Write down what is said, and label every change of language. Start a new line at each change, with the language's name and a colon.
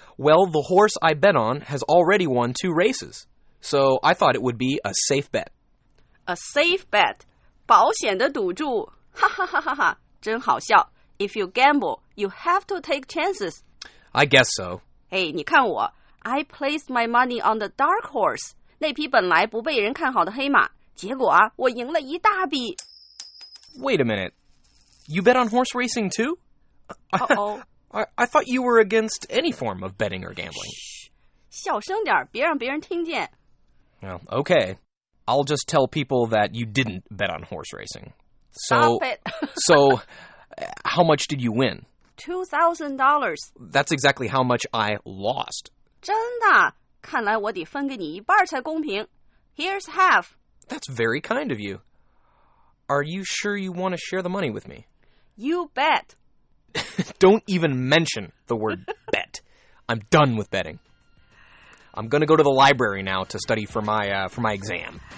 English: Well, the horse I bet on has already won 2 races, so I thought it would be a safe bet. A safe bet,
Chinese: 保险的赌注, ha ha ha ha ha, 真好笑。
English: If you gamble, you have to take chances. I guess so. Hey,
Chinese: 你看我,
English: I placed my money on the dark horse.
Chinese: 那匹本来不被人看好的黑马，结果啊，我赢了一大笔。
English: Wait a minute. You bet on horse racing too? I thought you were against any form of betting or gambling.
Chinese: 小声点，别让别人听见。
English: Well, okay. I'll just tell people that you didn't bet on horse racing. So, Stop it. So, how much did you win? $2,000. That's exactly how much I lost.
Chinese: 真的？看来我得分给你一半才公平。
English: Here's half. That's very kind of you. Are you sure you want to share the money with me? You bet. Don't even mention the word bet. I'm done with betting. I'm going to go to the library now to study for my exam.